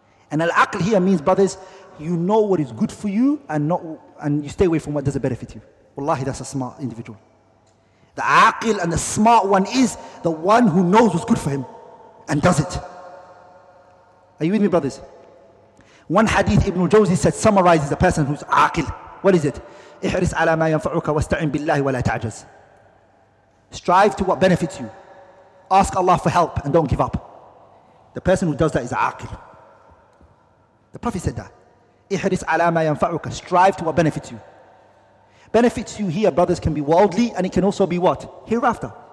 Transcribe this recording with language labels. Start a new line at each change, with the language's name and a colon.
English: And al-aql here means, brothers, you know what is good for you and you stay away from what doesn't benefit you. Wallahi, that's a smart individual. The aqil and the smart one is the one who knows what's good for him and does it. Are you with me, brothers? One hadith Ibn Jawzi said summarizes a person who's aqil. What is it?
Arabic: احرس على ما ينفعك واستعن بالله ولا تعجز.
English: Strive to what benefits you. Ask Allah for help and don't give up. The person who does that is aqil. The Prophet said that.
Arabic: احرس على ما ينفعك.
English: Strive to what benefits you. Benefits you here, brothers, can be worldly and it can also be what? Hereafter.